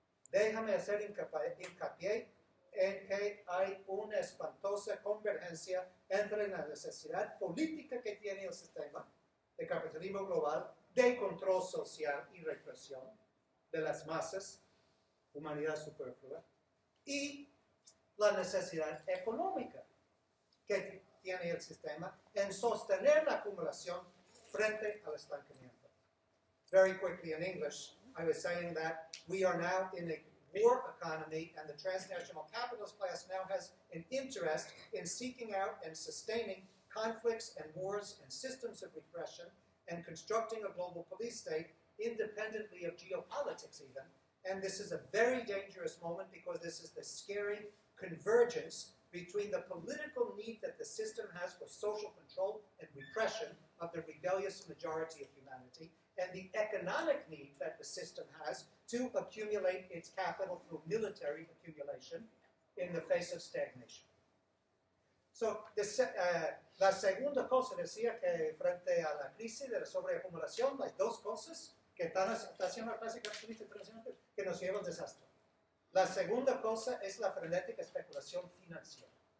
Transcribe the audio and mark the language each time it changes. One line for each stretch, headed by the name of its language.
Spanish: Déjame hacer hincapié en que hay una espantosa convergencia entre la necesidad política que tiene el sistema de capitalismo global, de control social y represión de las masas, humanidad superflua, y la necesidad económica que tiene el sistema en sostener la acumulación frente al estancamiento.
English: Very quickly in English, I was saying that we are now in a war economy and the transnational capitalist class now has an interest in seeking out and sustaining conflicts and wars and systems of repression and constructing a global police state independently of geopolitics even. And this is a very dangerous moment because this is the scary convergence between the political need that the system has for social control and repression of the rebellious majority of humanity and the economic need that the system has to accumulate its capital through military accumulation in the face of stagnation.
Spanish: So, la segunda cosa decía que frente a la crisis de la sobreacumulación, hay dos cosas que están haciendo la clase capitalista internacional que nos lleva al desastre. La segunda cosa es la frenética especulación financiera.